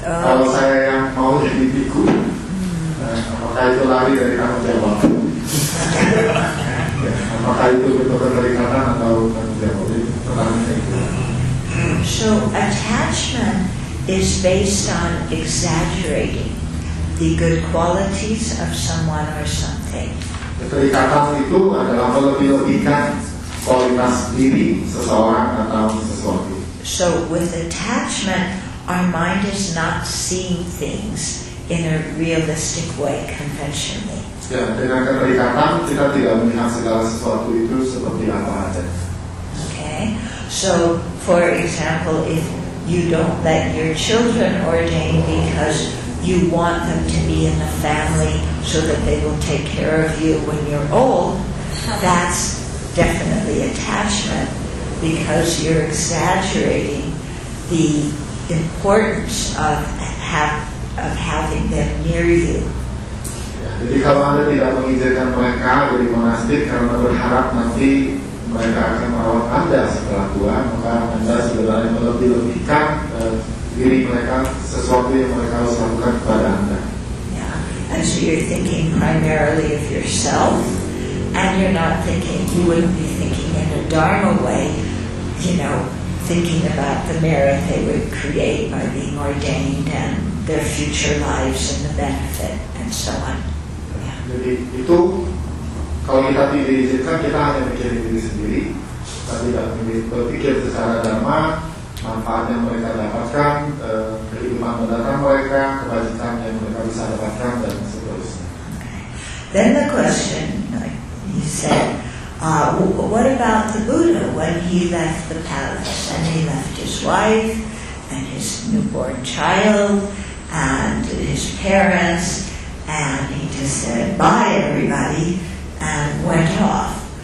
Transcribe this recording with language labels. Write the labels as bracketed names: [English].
[Indonesian] Kalau saya yang mau jadi biku, apakah itu lari dari tanggung jawab? Apakah itu bentuk keterikatan atau pertanyaannya itu? [English] So attachment is based on exaggerating the good qualities of someone or something. [Indonesian] Keterikatan itu adalah melebih-lebihkan kualitas diri seseorang atau sesuatu. [English] So with attachment, our mind is not seeing things in a realistic way conventionally. [Indonesian] Ya, dengan keterikatan kita tidak melihat segala sesuatu itu seperti apa aja. [English] Okay. So, for example, if you don't let your children ordain because you want them to be in the family so that they will take care of you when you're old, that's definitely attachment because you're exaggerating the importance of having them near you. [Indonesian] Jadi kalau Anda tidak mengizinkan mereka dari monastik karena berharap nanti mereka akan merawat Anda setelah tua, maka Anda sebenarnya melebih-lebihkan diri mereka sesuatu yang mereka harus lakukan kepada Anda. [English] Yeah, and so you're thinking primarily of yourself, and you're not thinking, you wouldn't be thinking in a dharma way, you know, thinking about the merit they would create by being ordained and their future lives and the benefit and so on. [Indonesian] Jadi itu kalau kita tidak diizinkan kita hanya mikirin diri sendiri, kita tidak berpikir secara dharma, manfaat yang mereka dapatkan, kehidupan mendatang mereka, kebajikan yang mereka bisa dapatkan dan seterusnya. [English] Okay. Then the question you said, what about the Buddha when he left the palace and he left his wife and his newborn child and his parents? And he just said bye everybody and went off.